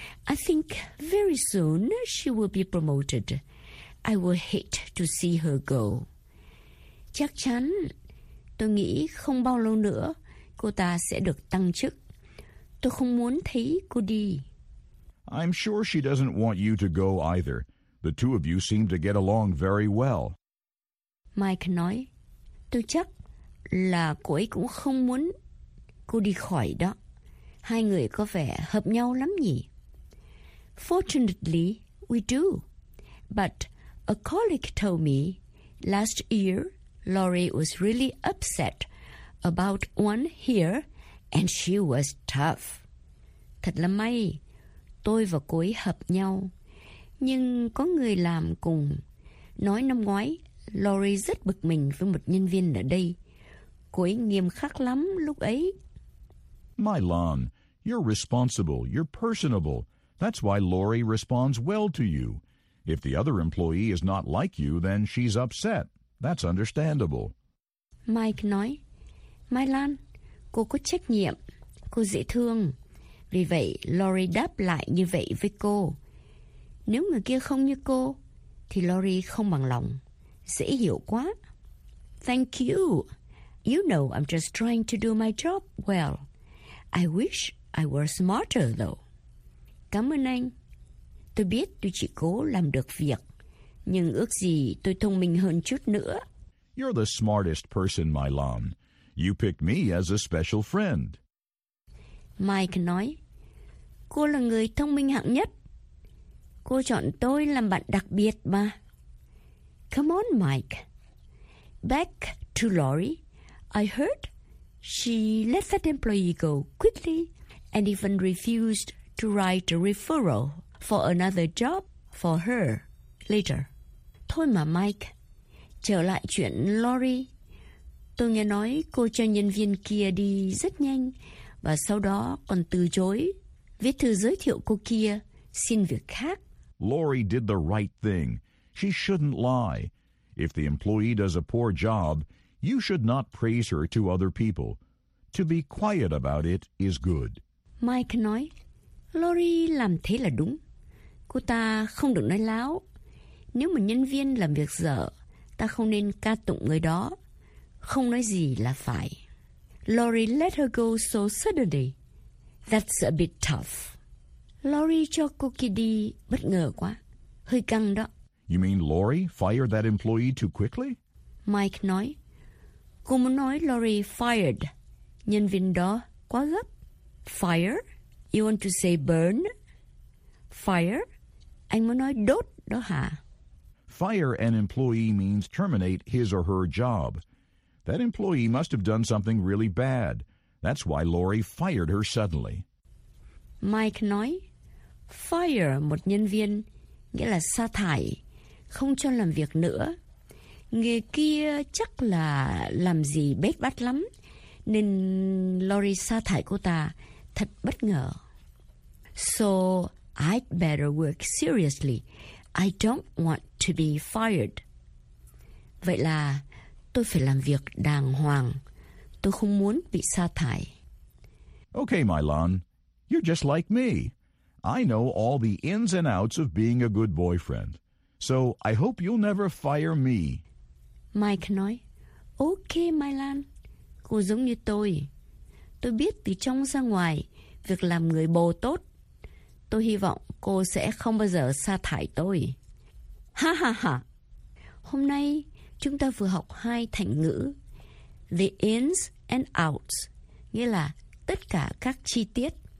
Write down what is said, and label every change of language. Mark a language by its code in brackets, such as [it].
[en] I think very soon she will be promoted. I will hate to see her go. [vi] Chắc chắn. Tôi nghĩ không bao lâu nữa cô ta sẽ được tăng chức. Tôi không muốn thấy cô đi. [en] I'm sure she doesn't want you to go either. The two of you seem to get along very well. [vi] Mike nói, tôi chắc là cô ấy cũng không muốn cô đi khỏi đó. Hai người có vẻ hợp nhau lắm nhỉ? [en] Fortunately, we do. But a colleague told me last year Laurie was really upset about one here and she was tough. [vi] Thật là may, tôi và cô ấy hợp nhau. Nhưng có người làm cùng nói năm ngoái Laurie rất bực mình với một nhân viên ở đây. Cô ấy nghiêm khắc lắm lúc ấy. [en] My Lan, you're responsible, you're personable. That's why Laurie responds well to you. If the other employee is not like you, then she's upset. That's understandable. [vi] Mike nói, My Lan, cô có trách nhiệm, cô dễ thương. Vì vậy, Laurie đáp lại như vậy với cô. Nếu người kia không như cô, thì Laurie không bằng lòng. Dễ hiểu quá. [en] Thank you. You know I'm just trying to do my job well. I wish I were smarter, though. [vi] Cảm ơn anh. Tôi biết tôi chỉ cố làm được việc, nhưng ước gì tôi thông minh hơn chút nữa. [en] You're the smartest person, Milan. You picked me as a special friend. [vi] Mike nói, cô là người thông minh hạng nhất. Cô chọn tôi làm bạn đặc biệt mà. [en] Come on, Mike. Back to Laurie. I heard she let that employee go quickly and even refused to write a referral for another job for her later. [vi] Thôi mà Mike, trở lại chuyện Laurie. Tôi nghe nói cô cho nhân viên kia đi rất nhanh và sau đó còn từ chối viết thư giới thiệu cô kia xin việc khác. [en] Laurie did the right thing. She shouldn't lie. If the employee does a poor job, you should not praise her to other people. To be quiet about it is good. [vi] Mike nói, Laurie làm thế là đúng. Cô ta không được nói láo. Nếu một nhân viên làm việc dở, ta không nên ca tụng người đó. Không nói gì là phải. [en] Laurie let her go so suddenly. That's a bit tough. [vi] Laurie cho cô kia đi bất ngờ quá. Hơi căng đó. [en] You mean Laurie fired that employee too quickly? [vi] Mike nói. Cô muốn nói Laurie fired nhân viên đó quá gấp. [en] Fire? You want to say burn? [vi] Fire? Anh muốn nói đốt đó hả? [en] Fire an employee means terminate his or her job. That employee must have done something really bad. That's why Laurie fired her suddenly. [vi] Mike nói, fire một nhân viên nghĩa là sa thải, không cho làm việc nữa. Người kia chắc là làm gì bết bát lắm, nên Laurie sa thải cô ta thật bất ngờ. [en] So I'd better work seriously. I don't want to be fired. [vi] Vậy là tôi phải làm việc đàng hoàng. Tôi không muốn bị sa thải. [en] Okay, Milan. You're just like me. I know all the ins and outs of being a good boyfriend. So I hope you'll never fire me. [vi] Mike nói, Okay, Milan. Cô giống như tôi. Tôi biết từ trong ra ngoài việc làm người bồ tốt. Tôi hy vọng cô sẽ không bao giờ sa thải tôi. Ha ha ha. Hôm nay chúng ta vừa học hai thành ngữ. [en] The ins and outs, [vi] nghĩa là tất cả các chi tiết.